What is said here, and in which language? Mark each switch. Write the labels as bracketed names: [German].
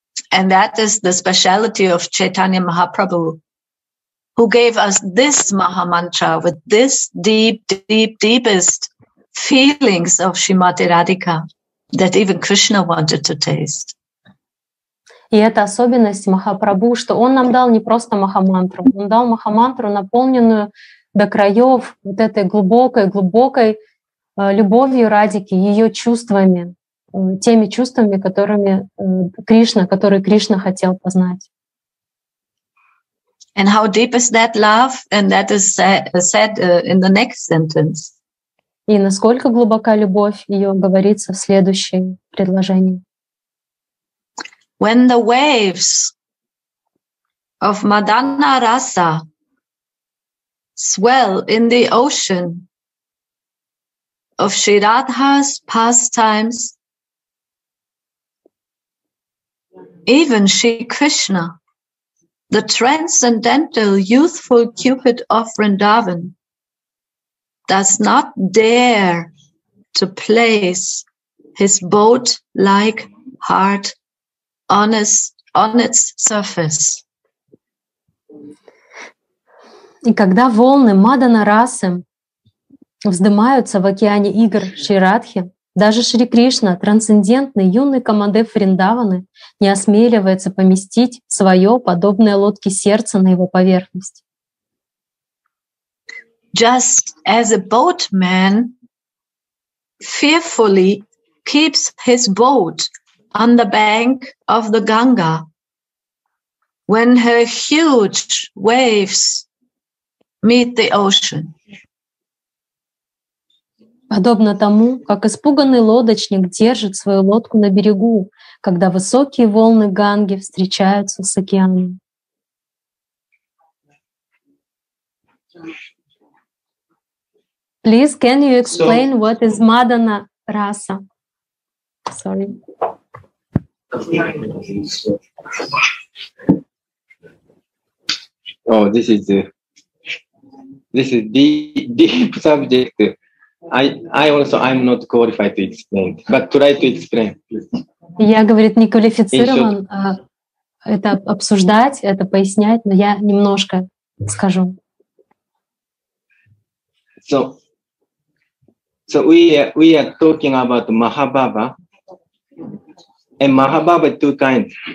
[English] And that is the speciality of Chaitanya Mahaprabhu, who gave us this Mahamantra with this deep, deep, deepest feelings of Shrimati Radhika that even Krishna wanted to taste. [Russian] И это особенность Махапрабху, что он нам дал не просто Махамантру, он дал Махамантру, наполненную до краев вот этой глубокой любовью Радики, ее чувствами, теми чувствами, которые Кришна хотел познать. [English] And how deep is that love? And that is said in the next sentence. [Russian] И насколько глубока любовь, ее говорится в следующем предложении. [English] When the waves of Madana Rasa swell in the ocean of Shiradha's pastimes, even Shri Krishna, the transcendental youthful Cupid of Vrindavan, does not dare to place his boat-like heart on its surface. [Russian] И когда волны Мадана Расы вздымаются в океане игр Шри Радхи. Даже Шри Кришна, трансцендентный юный Камадев Вриндаваны, не осмеливается поместить свое подобное лодке сердца на его поверхность. [English] Just as a boatman fearfully keeps his boat on the bank of the Ganga, when her huge waves meet the ocean. [Russian] Подобно тому, как испуганный лодочник держит свою лодку на берегу, когда высокие волны Ганги встречаются с океаном. [English] Please, can you explain what is Madana Rasa? Sorry. Oh, this is the deep subject. I'm not qualified to explain, but try to explain. [Russian] Я, говорит, не квалифицирован это обсуждать, это пояснять, но я немножко скажу. [English] So we are talking about Mahabhava. And Mahabhava two kinds.